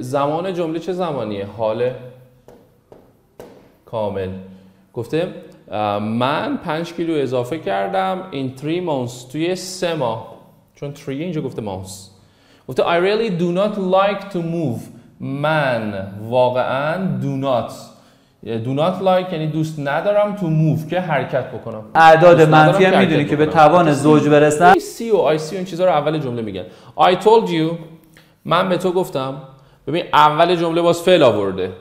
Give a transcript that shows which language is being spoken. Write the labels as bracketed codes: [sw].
[fa] زمان جمله چه زمانیه؟ حال کامل. گفته من 5 کیلو اضافه کردم [en] in 3 months [fa] توی 3 ماه. چون 3 اینجا گفته months. گفته [en] I really do not like to move. [fa] من واقعا [en] do not like [fa] یعنی دوست ندارم تو موف که حرکت بکنم. اعداد منفی هم میدونی که به توان زوج برسن. [en] I see [fa] اون چیزا رو اول جمله میگن. [en] I told you. [fa] من به تو گفتم. ببین اول جمله باز فعل آورده.